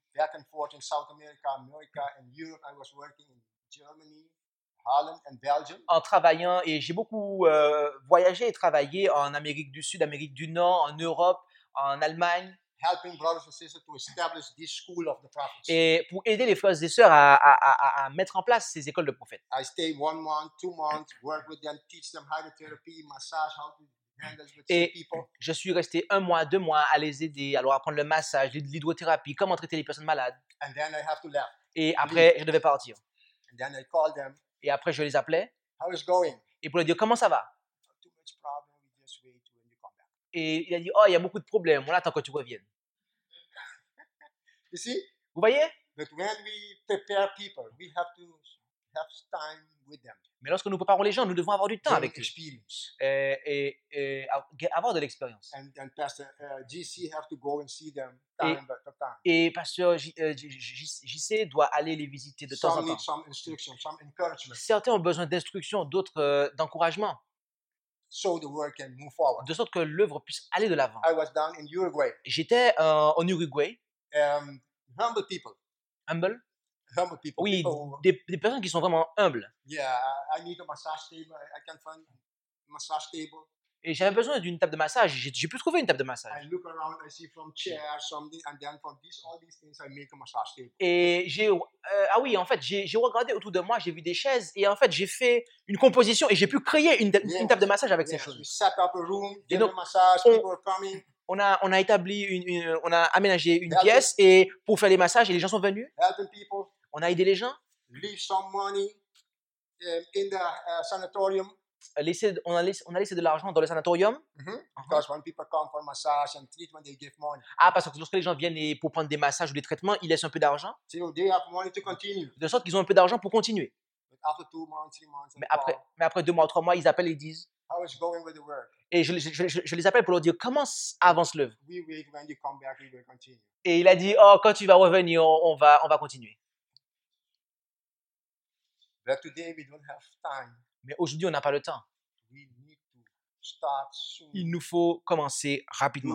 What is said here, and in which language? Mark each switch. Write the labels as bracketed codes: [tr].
[en] Back and forth in South America, America, and Europe. I was working in Germany, Holland, and Belgium. [fr] En travaillant, et j'ai beaucoup voyagé et travaillé en Amérique du Sud, Amérique du Nord, en Europe, en Allemagne. [en] Helping brothers and sisters to establish this school of the prophets. [fr] Et pour aider les frères et sœurs à mettre en place ces écoles de prophètes. [en] I stayed 1 month, 2 months, work with them, teach them hydrotherapy, massage, how to. [fr] Et je suis resté 1 mois, 2 mois à les aider, à leur apprendre le massage, l'hydrothérapie, comment traiter les personnes malades. [en] And then I have to leave. [fr] Et après, je devais partir. [en] And then I called them. [fr] Et après, je les appelais. [en] How is going? [fr] Et pour leur dire, comment ça va? [en] Too much problem. Just wait when you come back. [fr] Et il a dit, oh, il y a beaucoup de problèmes, on attend que tu reviennes. [en] You see? [fr] Vous voyez? [en] But when we prepare people, we have to have time with them. [fr] Mais lorsque nous préparons les gens, nous devons avoir du temps avec eux. Et avoir de l'expérience. [en] And Pastor, GC have to go and see them time. [fr] Et Pasteur JC doit aller les visiter de temps en temps. [en] Some instruction, some encouragement. [fr] Certains ont besoin d'instructions, d'autres d'encouragement. [en] So the work can move forward. [fr] De sorte que l'œuvre puisse aller de l'avant. [en] I was down in Uruguay. [fr] J'étais en Uruguay. [en] Humble people. Humble. Humble people. [fr] Oui, [en] people. [fr] Des personnes qui sont vraiment humbles. [en] Yeah, I need a massage table. I can't find a massage table. [fr] Et j'avais besoin d'une table de massage. J'ai pu trouver une table de massage. [en] I look around, I see from chairs something, and then from these all these things, I make a massage table. [fr] Et j'ai j'ai regardé autour de moi, j'ai vu des chaises, et en fait j'ai fait une composition et j'ai pu créer une table de massage avec ces choses. [en] We set up a room, get the massage, people are coming. [fr] On a établi on a aménagé une pièce et pour faire les massages et les gens sont venus. On a aidé les gens. [en] Leave some money in the sanatorium. [fr] on a laissé de l'argent dans les sanatoriums. [en] Because when people come for massage and treatment, they give money. [fr] Ah, parce que lorsque les gens viennent pour prendre des massages ou des traitements, ils laissent un peu d'argent. [en] So they have money to continue. [fr] De sorte qu'ils ont un peu d'argent pour continuer. [en] But after 2 months, 3 months, [fr] mais après 2 mois, 3 mois, ils appellent et disent. [en] How is going with the work? [fr] Et je les appelle pour leur dire comment avance l'œuvre. [en] We wait when you come back, we will continue. [fr] Et il a dit, oh, quand tu vas revenir, on va continuer. [en] But today we don't have time. [fr] Mais aujourd'hui, on n'a pas le temps. [en] We need to start soon. [fr] Il nous faut commencer rapidement.